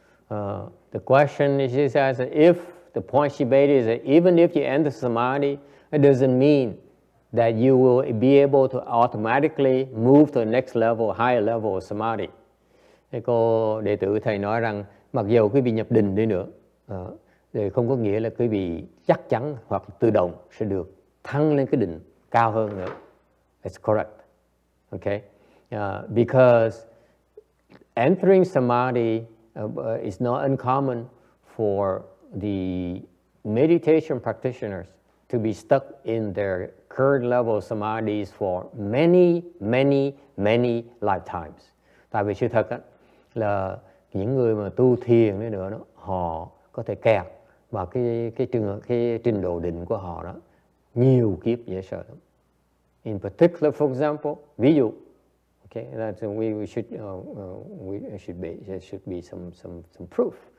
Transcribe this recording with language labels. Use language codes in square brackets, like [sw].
[en] The question is just as if the point she made is that even if you enter samadhi, it doesn't mean that you will be able to automatically move to the next level, higher level of samadhi. [vi] Thế cô đệ tử thầy nói rằng mặc dù quý vị nhập định đi nữa, thì không có nghĩa là quý vị chắc chắn hoặc tự động sẽ được thăng lên cái định cao hơn nữa. [en] It's correct. Okay. Because entering samadhi is not uncommon for the meditation practitioners to be stuck in their current level of samadhis for many, many, many lifetimes. [vi] Tại vì sự thật là những người mà tu thiền nữa đó, họ có thể kẹt vào cái trình độ định của họ đó nhiều kiếp dễ sợ lắm. [en] In particular, for example, ví dụ. Okay, that we should be some proof.